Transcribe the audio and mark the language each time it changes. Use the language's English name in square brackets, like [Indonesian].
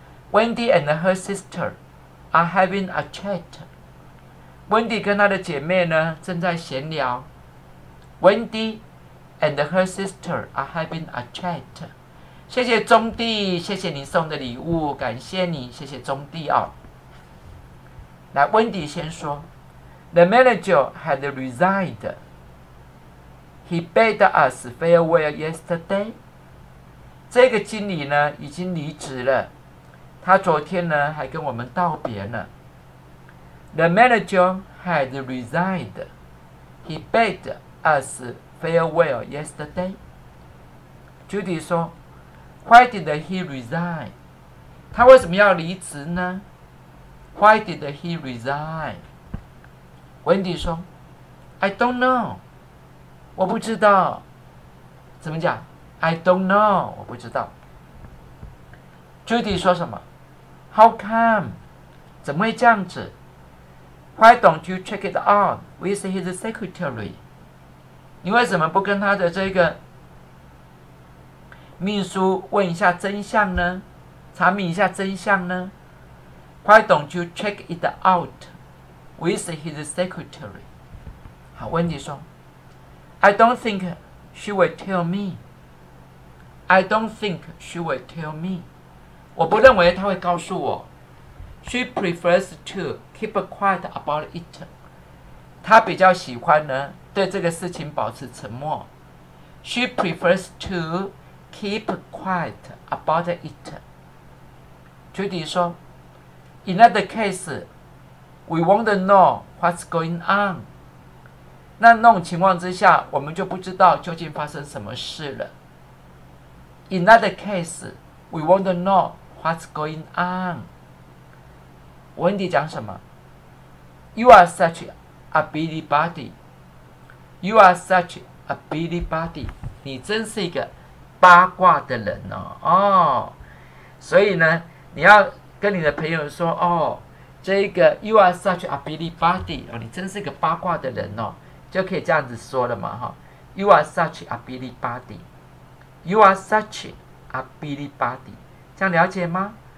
[English] Wendy and her sister are having a chat。 [Chinese] Wendy 跟她的姐妹呢正在闲聊。 [English] Wendy and her sister are having a chat。 [Chinese] 谢谢中弟，谢谢你送的礼物，感谢你，谢谢中弟哦。来 [English] ，Wendy [Chinese] 先说 [English] ，The manager had resigned. He bade us farewell yesterday. [Chinese] 这个经理呢已经离职了，他昨天呢还跟我们道别呢。 [English] The manager had resigned. He bade us farewell yesterday. Judy [Chinese] 说 [English] ，Why did he resign? [Chinese] 他为什么要离职呢 [English] ？Why did he resign? Wendy [Chinese] 说 [English] ，I don't know. [Chinese] 我不知道。怎么讲 ？ [English] I don't know. [Chinese] 我不知道。Judy 说什么 ？ [English] How come? [Chinese] 怎么会这样子？ [English] Why don't you check it out with his secretary? [Chinese] 你为什么不跟他的这个秘书问一下真相呢？查明一下真相呢 [English] ？Why don't you check it out with his secretary? [Chinese] 好，温迪说 [English] ，I don't think she will tell me. I don't think she will tell me. [Chinese] 我不认为他会告诉我。 [English] She prefers to keep quiet about it. [Chinese] 她比较喜欢呢，对这个事情保持沉默。 [English] She prefers to keep quiet about it. Judy [Chinese] 说 [English] ，In that case, we want to know what's going on. [Chinese] 那种情况之下，我们就不知道究竟发生什么事了。 [English] In that case, we want to know what's going on. Wendy [Chinese] 讲什么 [English] ？You are such a busy body. You are such a busy body. [Chinese] 你真是一个八卦的人哦。哦，所以呢，你要跟你的朋友说，哦，这个 [English] you are such a busybody [Chinese] 哦，你真是一个八卦的人哦，就可以这样子说了嘛，哈、哦、， [English] you are such a busybody， [Chinese] you are such a busybody， 这样了解吗？